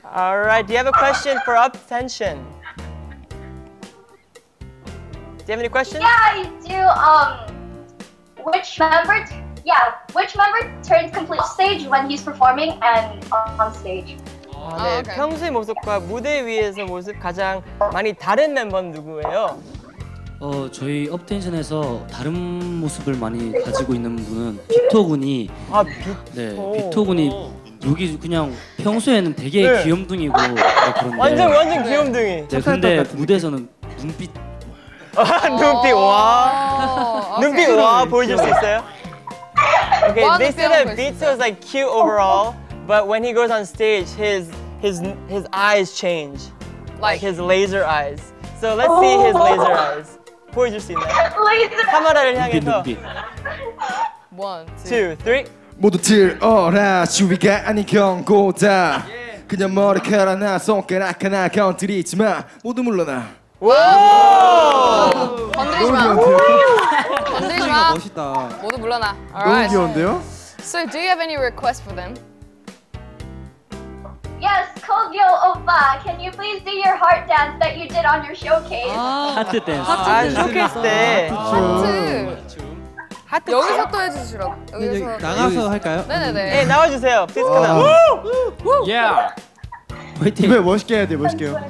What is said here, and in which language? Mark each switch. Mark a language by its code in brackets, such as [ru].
[en] All right, do you have a question for UP10TION? Do you have any questions? Yeah, I do. Which member turns complete stage when he's performing and on stage? [ko] 네, 평소의 모습과 무대 위에서 모습 가장 많이 다른 멤버는 누구예요? 저희 UP10TION에서 다른 모습을 많이 가지고 있는 분은 빅토 군이 네, 빅토 군이 여기 그냥 평소에는 되게 네. 귀염둥이고 그런데 완전 귀염둥이. 네, 근데 무대에서는 눈빛. 눈빛 와. 눈빛 와 보여줄 수 있어요? [en] Okay, they say that Beto is like cute overall, but when he goes on stage, his eyes change, like his laser eyes. So let's see his laser eyes. [ko] 보여줄 수 있나요? 카메라를 향해서. 눈빛. [en] One, two, three. [ko] 모두 들어라 주위가 아닌 건 고다 그냥 머리카락 나 손가락 하나 건드리지 마 모두 물러나 건드리지 마 건드리지 마 멋있다 모두 물러나 너무 귀여운데요? [en] So do you have any requests for them? Yes, Kogyo Oppa, can you please do your heart dance that you did on your showcase? [ko] 하트 댄스 하트 여기서 또 해주시라고 여기서 나가서 할까요? 네네네 네, 나와주세요 [en] Please come out Yeah [ko] 화이팅 네, 멋있게 해야 돼 멋있게 해요